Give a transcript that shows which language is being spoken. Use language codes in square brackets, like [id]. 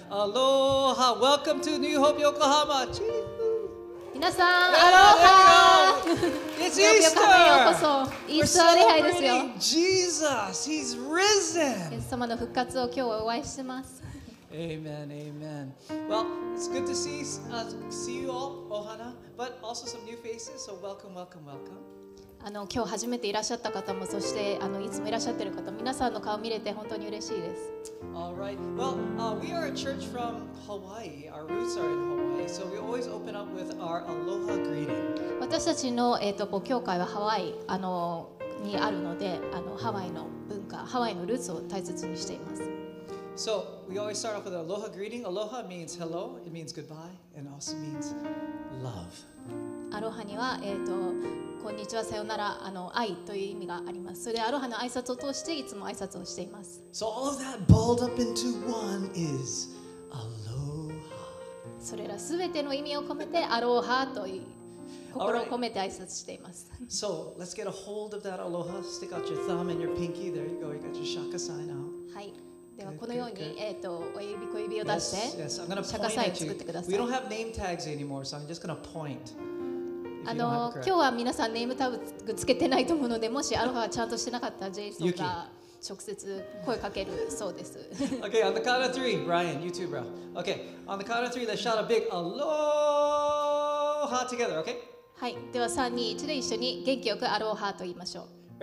[en] アローハ、Welcome to New Hope Yokohama. [ja] 皆さん、アローハ。 [en] It's Easter. [ja] イースター礼拝ですよ。 [en] Jesus, He's risen. [ja] イエス様の復活を今日はお会いしてます。 [en] Amen, amen. Well, it's good to see you all, Ohana, but also some new faces. So welcome. [ja] あの今日初めていらっしゃった方もそしてあのいつもいらっしゃってる方皆さんの顔見れて本当に嬉しいです。 [en] All right. Well, we are a church from Hawaii. Our roots are in Hawaii, so we always open up with our aloha greeting. [ja] 私たちの母教会はハワイあのにあるのであのハワイの文化ハワイのルーツを大切にしています。 [en] So we always start off with an aloha greeting. Aloha means hello, it means goodbye, and also means love. [ja] Aloha には、こんにちは、さよなら、あの、愛という意味があります。それでアロハの挨拶を通していつも挨拶をしています。 [en] So all of that balled up into one is aloha. [ja] それらすべての意味を込めてアロハと言い心を込めて挨拶しています。 [en] Right. So let's get a hold of that aloha. Stick out your thumb and your pinky. There you go. You got your shaka sign out. [ja] はい。ではこのように親指小指を出してシャカサイを作ってください。 [en] We don't have name tags anymore, so I'm just gonna point. [ja] あの今日は皆さんネームタグつけてないと思うので、もしアロハがちゃんとしてなかったらジェイソンが直接声かけるそうです。 [en] Okay, on the count of three, Ryan, you too, bro. Okay, on the count of three, let's shout a big aloha together, okay? [ja] はい、では3、2、1で一緒に元気よくアロハと言いましょう。